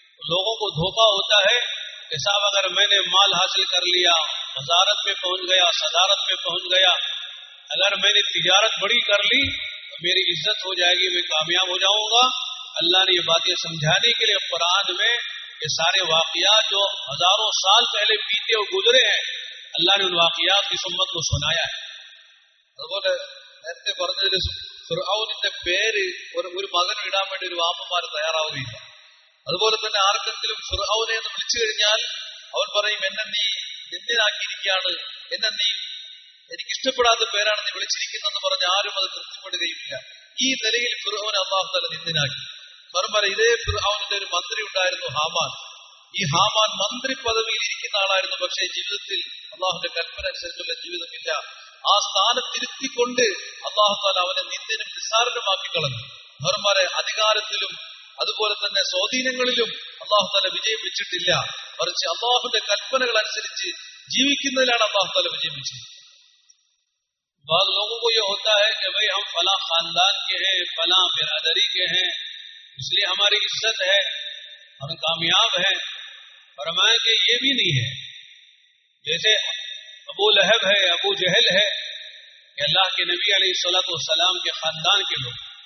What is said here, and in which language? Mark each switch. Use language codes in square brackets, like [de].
[ur] لوگوں کو دھوکہ ہوتا ہے کہ صاحب اگر میں نے مال حاصل کر لیا, وزارت میں پہنچ گیا, صدارت میں پہنچ گیا, اگر میں نے تجارت بڑی کر لی تو میری عزت ہو جائے گی, میں کامیاب ہو جاؤں گا. اللہ نے یہ باتیں سمجھانے کے لیے قرآن میں یہ سارے واقعات جو ہزاروں سال پہلے بیتے اور گزرے ہیں اللہ نے ان واقعات کی سمت کو سنایا ہے. [ml] ഫിർഔനിന്റെ പേര് ഒരു മകനും ഇടാൻ വേണ്ടി ഒരു വാപ്പമാര് തയ്യാറാവുകയില്ല. അതുപോലെ തന്നെ ആർക്കെങ്കിലും ഫിർഔനെ എന്ന് വിളിച്ചു കഴിഞ്ഞാൽ അവൻ പറയും, എന്നെ നീ നിന്ദ്യനാക്കിയിരിക്കുകയാണ്, എന്നെ നീ എനിക്കിഷ്ടപ്പെടാത്ത പേരാണ് നീ വിളിച്ചിരിക്കുന്നതെന്ന് പറഞ്ഞ് ആരും അത് തൃപ്തിപ്പെടുകയില്ല. ഈ നിലയിൽ ഫിർഔനെ അല്ലാഹു തആല നിന്ദ്യനാക്കി. പറമ്പറ ഇതേ ഫിർഔനിന്റെ ഒരു മന്ത്രി ഉണ്ടായിരുന്നു ഹാമാൻ. ഈ ഹാമാൻ മന്ത്രി പദവിയിൽ ഇരിക്കുന്ന ആളായിരുന്നു, പക്ഷേ ജീവിതത്തിൽ അള്ളാഹുന്റെ കൽപ്പന അനുസരിച്ചുള്ള ജീവിതമില്ല. ആ സ്ഥാനം തിരുത്തിക്കൊണ്ട് അള്ളാഹു തആല അവനെ നിന്ദ്യനും നിസ്സാരനുമാക്കി കളഞ്ഞു. പറമ്പറെ അധികാരത്തിലും അതുപോലെ തന്നെ സ്വാധീനങ്ങളിലും അള്ളാഹു തആല വിജയം വെച്ചിട്ടില്ല, മറിച്ച് അള്ളാഹുന്റെ കൽപ്പനകൾ അനുസരിച്ച് ജീവിക്കുന്നതിലാണ് അള്ളാഹു തആല വിജയം വെച്ചത്. [ur] بعض لوگوں کو یہ ہوتا ہے کہ بھائی ہم فلاں خاندان کے ہیں, فلاں برادری کے ہیں, اس لیے ہماری عزت ہے, ہم کامیاب ہیں. فرمایا کہ یہ بھی نہیں ہے, جیسے ابو لہب ہے, ابو جہل ہے, کہ اللہ کے نبی علیہ الصلوۃ والسلام کے خاندان کے لوگ.